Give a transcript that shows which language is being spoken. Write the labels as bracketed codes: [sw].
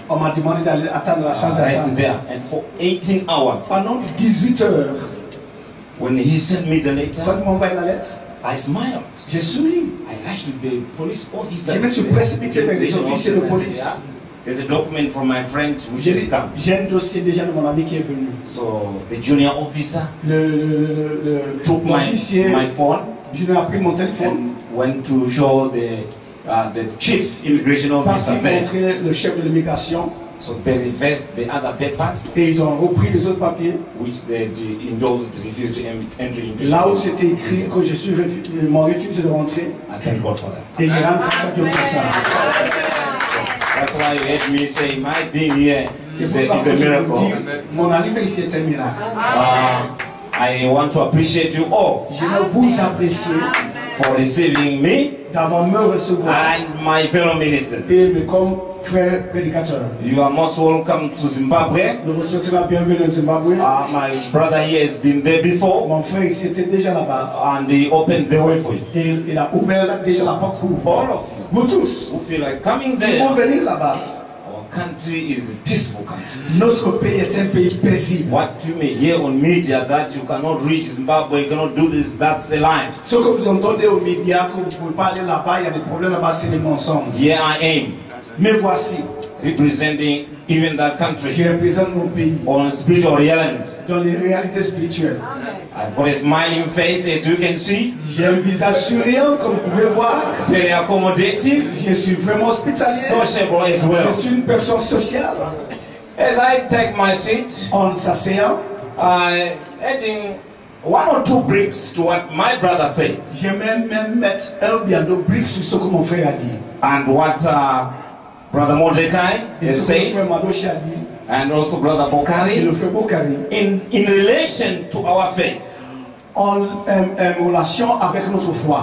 [fr] On m'a demandé d'aller attendre la salle d'attente. [en] And for 18 hours. [fr] Pendant 18 heures. [en] When he sent me the letter, [fr] quand il m'a envoyé la lettre, [en] I smiled. [fr] J'ai souri. [en] I rushed to the police officer. [fr] Je me suis précipité vers les officiers de police. [en] There's a document from my friend which has come. [fr] J'ai un dossier déjà de mon ami qui est venu. [en] So the junior officer took my phone. [fr] Junior a pris mon téléphone. [en] Went to show the chief immigration officer. [fr] Parti montrer le chef de l'immigration. [en] So they reversed the other papers. [fr] Et ils ont repris les autres papiers. [en] Which they endorsed, refused to enter into. [fr] Là où c'était écrit que je suis m'ont refusé de rentrer. [en] I thank God for that. [fr] Et j'ai rendu grâce à Dieu pour ça. [en] That's why you heard me say my being here is a miracle. [fr] Mon arrivée ici est un miracle. [en] I want to appreciate you all. [fr] Je veux vous apprécier [en] for receiving me. [fr] D'avoir me recevoir. [en] And my fellow ministers. [fr] Et comme frère prédicateur. [en] You are most welcome to Zimbabwe. [fr] Nous vous souhaitons la bienvenue au Zimbabwe. [en] My brother here has been there before. [fr] Mon frère ici était déjà là-bas. [en] And he opened the way for you. [fr] Il a ouvert déjà la porte pour vous. [en] All of you. [fr] Vous tous, [en] who feel like coming there, [fr] qui vont venir là-bas. [en] Our country is a peaceful country. [fr] Notre pays est un pays paisible. [en] What you may hear on media that you cannot reach Zimbabwe, you cannot do this, that's a lie. [fr] Ce que vous entendez aux médias que vous pouvez pas aller là-bas, il y a des problèmes là-bas, c'est des mensonges. [en] Here I am. [fr] Me voici. [en] Representing even that country. [fr] Je représente mon pays. [en] On spiritual realities. [fr] Dans les réalités spirituelles. [en] I've got a smiling face, as you can see. [fr] J'ai un visage souriant, comme vous pouvez voir. [en] Very accommodative. [fr] Je suis vraiment hospitalier. [en] Sociable as well. [fr] Je suis une personne sociale. [en] As I take my seat, [fr] en s'asseyant, [en] adding one or two bricks to what my brother said. [fr] Je même mettre un bien de bricks sur ce que mon frère a dit. [en] And what Brother Mordecai is saying. And also Brother Bokari. [fr] Le frère Bokari. [en] In relation to our faith. [fr] En relation avec notre foi.